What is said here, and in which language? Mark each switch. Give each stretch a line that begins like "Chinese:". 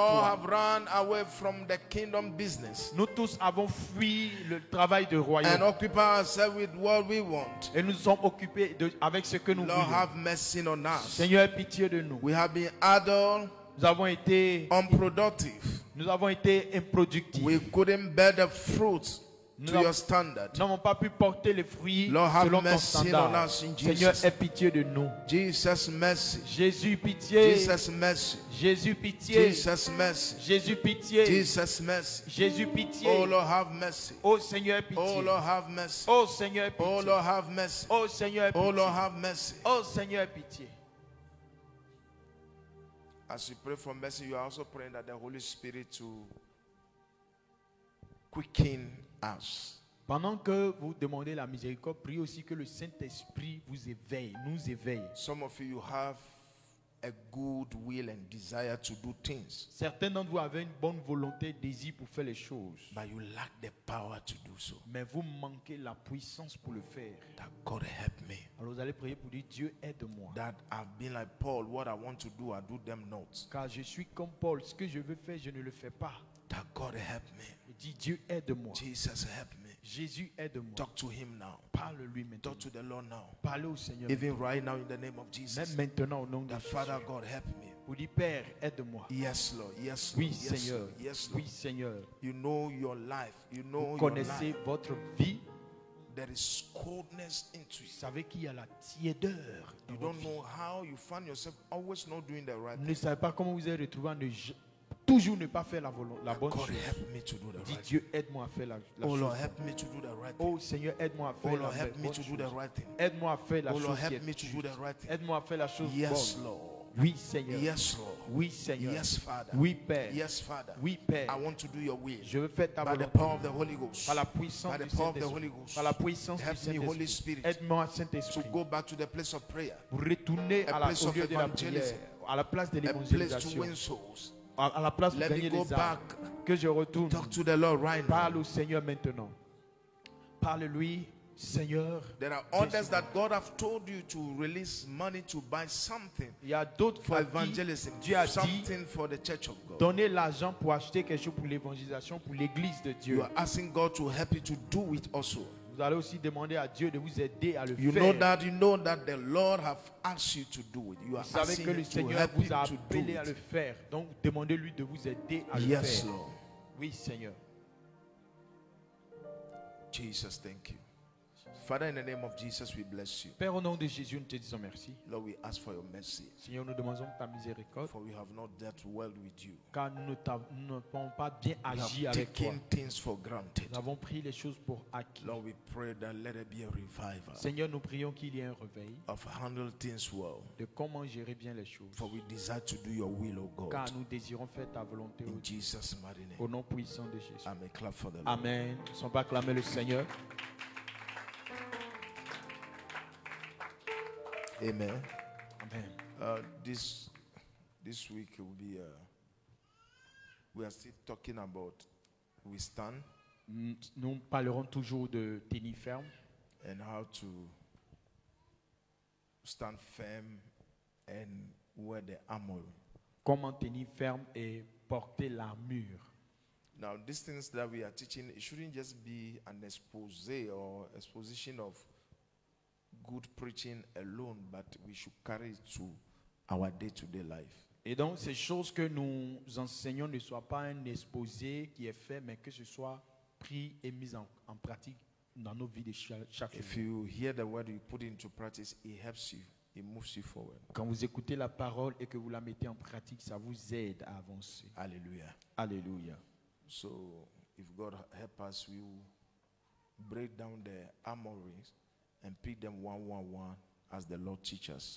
English: We all have run away from the kingdom business.
French: Nous tous avons fui le travail de royaume.
English: And occupy ourselves with what we want.
French: Et nous sommes occupés avec ce que nous
English: Lord,
French: voulons.
English: Have mercy on us.
French: Seigneur, aie pitié de nous.
English: We have been idle,
French: nous avons été
English: unproductive.
French: Nous avons été improductifs.
English: We couldn't bear the fruit to your standard.
French: Nous n'avons pas pu porter les fruits
English: Lord, have
French: selon
English: mercy
French: ton standard.
English: On us in Jesus.
French: Seigneur, aie pitié de nous.
English: Jesus, mercy.
French: Jésus, pitié.
English: Jesus, mercy.
French: Jésus, pitié.
English: Jesus, mercy.
French: Jésus, pitié.
English: Jesus, mercy.
French: Jésus, pitié.
English: Oh Lord, have mercy.
French: Oh Seigneur, pitié.
English: Oh Lord, have mercy.
French: Oh Seigneur, pitié.
English: Oh Lord, have mercy.
French: Oh Seigneur, pitié.
English: Oh Lord, have mercy.
French: Oh Seigneur, pitié.
English: As you pray for mercy, you are also praying that the Holy Spirit to quicken us.
French: Pendant que vous demandez la miséricorde, priez aussi que le Saint-Esprit vous éveille, nous éveille.
English: Some of you have a good will and desire to do things.
French: Certains d'entre vous avez une bonne volonté, désir pour faire les choses.
English: But you lack the power to do so.
French: Mais vous manquez la puissance pour le faire.
English: That God help me.
French: Alors vous allez prier pour dire Dieu aide-moi.
English: That I've been like Paul, what I want to do, I do them not.
French: Car je suis comme Paul, ce que je veux faire, je ne le fais pas.
English: That God help me.
French: Dis Dieu aide-moi.
English: Jesus help me.
French: Jésus aide-moi.
English: Talk to him now.
French: Parle-lui maintenant.
English: Talk to the Lord now.
French: Parle au Seigneur.
English: Even right now in the name of Jesus.
French: Même maintenant au nom de Jésus.
English: Father God help me.
French: Vous dites Père aide-moi.
English: Yes Lord. Yes Lord.
French: Oui
English: yes,
French: Seigneur.
English: Lord. Yes Lord.
French: Oui Seigneur.
English: You know your life. You know
French: vous
English: your
French: connaissez
English: life.
French: Votre vie.
English: There is coldness into it.
French: Vous savez qu'il y a la tiédeur.
English: You don't know how you find yourself always not doing the right thing.
French: Ne savez pas comment vous êtes retrouvé à ne toujours ne pas faire la bonne chose.
English: God, help me to do the right.
French: Dit Dieu, aide-moi à faire la chose.
English: Oh Lord, help me to do the right.
French: Oh Seigneur, aide-moi à faire la bonne chose.
English: Oh Lord, help me to do the right thing.
French: Aide-moi à faire la chose.
English: Oh Lord, help me to do the right thing.
French: Aide-moi à faire la chose.
English: Yes, Lord.
French: Oui, Seigneur.
English: Yes, Lord.
French: Oui, Seigneur.
English: Yes, Father.
French: Oui, Père.
English: Yes, Father.
French: Oui, Père.
English: I want to do your will.
French: Je veux faire ta volonté.
English: By the power of the Holy Ghost.
French: Par la puissance du Saint-Esprit.
English: By the power of the Holy Ghost.
French: Par la puissance
English: help
French: du Saint-Esprit.
English: Help me, Holy Spirit.
French: Aide-moi, Saint-Esprit.
English: To go back to the place of prayer.
French: Pour retourner à la place au lieu de la prière. À la place de l'évangélisation.
English: A place to win souls.
French: À la place de
English: let
French: gagner des âmes.
English: Back.
French: Que je retourne.
English: Talk to the Lord right now.
French: Parle au Seigneur maintenant. Parle-lui. Seigneur,
English: there are others that God have told you to release money to buy something.
French: Il y a d'autres
English: for evangelism.
French: Dieu a
English: something
French: dit,
English: for the church of God.
French: Donner l'argent pour acheter quelque chose pour l'évangélisation, pour l'église de Dieu.
English: You are asking God to help you to do it also.
French: Vous allez aussi demander à Dieu de vous aider à le
English: you
French: faire.
English: Know that, you know that the Lord have asked you to do it. You
French: vous savez que le Seigneur vous a appelé à le faire. Donc demandez-lui de vous aider à
English: yes,
French: le faire.
English: Lord.
French: Oui, Seigneur.
English: Jesus, thank you. Father, in the name of Jesus, we bless you.
French: Père, au nom de Jésus, nous te disons merci.
English: Lord, we ask for your mercy.
French: Seigneur, nous demandons ta miséricorde.
English: For we have not dealt well with you.
French: Car nous n'avons pas bien agi avec toi.
English: We have taken things for granted.
French: Nous avons pris les choses pour acquis.
English: Lord, we pray that let there be a revival.
French: Seigneur, nous prions qu'il y ait un réveil.
English: Of handle things well.
French: De comment gérer bien les choses.
English: For we desire to do your will, O God.
French: Car nous désirons faire ta volonté.
English: In Jesus' mighty name.
French: Au nom puissant de Jésus.
English: Amen. Clap for the
French: Lord. Amen. Sans pas acclamer le Seigneur. Amen. Amen.
English: This week will be we are still talking about we stand.
French: Nous parlerons toujours de tenir ferme.
English: And how to stand firm and wear the armor.
French: Comment tenir ferme et porter l'armure.
English: Now these things that we are teaching, it shouldn't just be an exposé or exposition of good preaching alone, but we should carry it to our day-to-day life.
French: Et donc, ces choses que nous enseignons ne soient pas un exposé qui est fait, mais que ce soit pris et mis en pratique dans nos vies de chaque jour.
English: If you hear the word, you put it into practice, it helps you, it moves you forward.
French: Quand vous écoutez la parole et que vous la mettez en pratique, ça vous aide à avancer. Alléluia. Alléluia.
English: So, if God help us, we will break down the armories and pick them one as the Lord teaches.